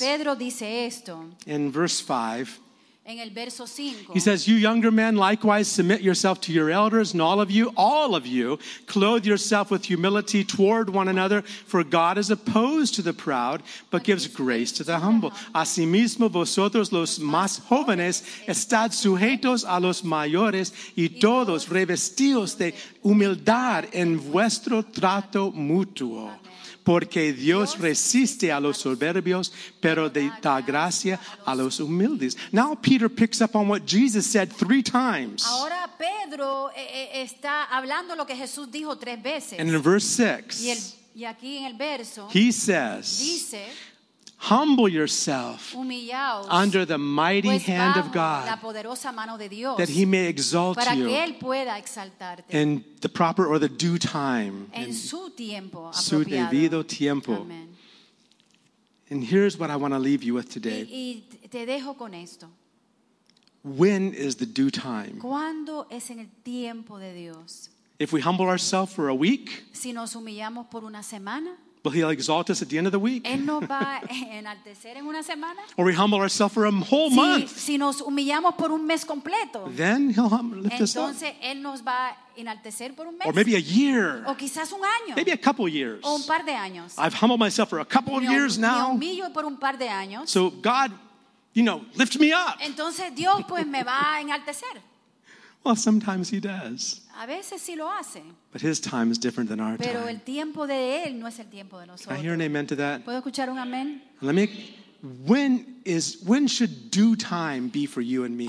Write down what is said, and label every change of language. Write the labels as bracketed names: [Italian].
[Spanish] Pedro dice esto. [English] In verse 5. [Spanish] En el verso 5, [English] he says, you younger men, likewise submit yourself to your elders, and all of you, clothe yourself with humility toward one another, for God is opposed to the proud, but gives grace to the humble. [Spanish] Asimismo, vosotros los más jóvenes, estad sujetos a los mayores, y todos revestidos de humildad en vuestro trato mutuo. Porque Dios resiste a los soberbios, pero da gracia a los humildes. [English] Now Peter picks up on what Jesus said three times. [Spanish] Ahora Pedro está hablando lo que Jesús dijo tres veces. [English] And in verse 6, [Spanish] y aquí en el verso, [English] he says, [Spanish] dice, [English] humble yourself [Spanish] humillaos [English] under the mighty [Spanish] pues [English] hand of God [Spanish] la poderosa mano de Dios, [English] that he may exalt [Spanish] para [English] you [Spanish] que él pueda exaltarte [English] in the proper or the due time. [Spanish] En su tiempo su debido tiempo. [English] Amen. And here's what I want to leave you with today. [Spanish] Y te dejo con esto. [English] When is the due time? [Spanish] ¿Cuándo es en el tiempo de Dios? [English] If we humble ourselves for a week, [Spanish] si nos humillamos por una semana, [English] will he exalt us at the end of the week? [Spanish] Él nos va a enaltecer en una semana. [English] Or we humble ourselves for a whole month. [Spanish] Si nos humillamos por un mes completo. [English] Then he'll lift [Spanish] entonces, [English] us up. [Spanish] Entonces él nos va a enaltecer por un mes. [English] Or maybe a year. [Spanish] O quizás un año. [English] Maybe a couple years. [Spanish] O un par de años. [English] I've humbled myself for a couple of years now. [Spanish] Me humillo por un par de años. [English] So God, you know, lift me up. [Spanish] Entonces Dios pues me va a enaltecer. [English] Well, sometimes he does. [Spanish] A veces sí lo hace. [English] But his time is different than our [Spanish] pero [English] time. [Spanish] El tiempo de él no es el tiempo de nosotros. [English] Can I hear an amen to that? [Spanish] ¿Puedo escuchar un amen? [English] Let me, when should due time be for you and me?